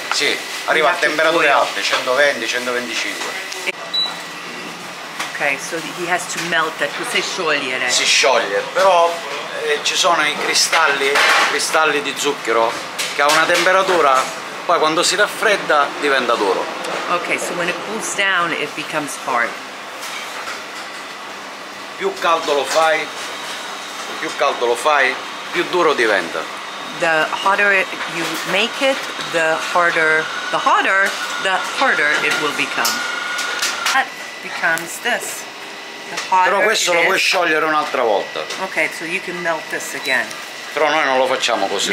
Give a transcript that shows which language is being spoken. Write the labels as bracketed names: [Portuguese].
[Italian] Sì, arriva a temperature alte, 120-125. [English] Ok, so he has to melt it, [Italian] si scioglie. Si scioglie, però ci sono i cristalli di zucchero che a una temperatura, poi quando si raffredda diventa duro. [English] Ok, so when it cools down it becomes hard. [Italian] Più caldo lo fai, più caldo lo fai, più duro diventa. [English] The hotter you make it, the harder it will become. That becomes this. [Italian] Però questo lo puoi sciogliere un'altra volta. [English] Okay, so you can melt this again. [Italian] Però noi non lo facciamo così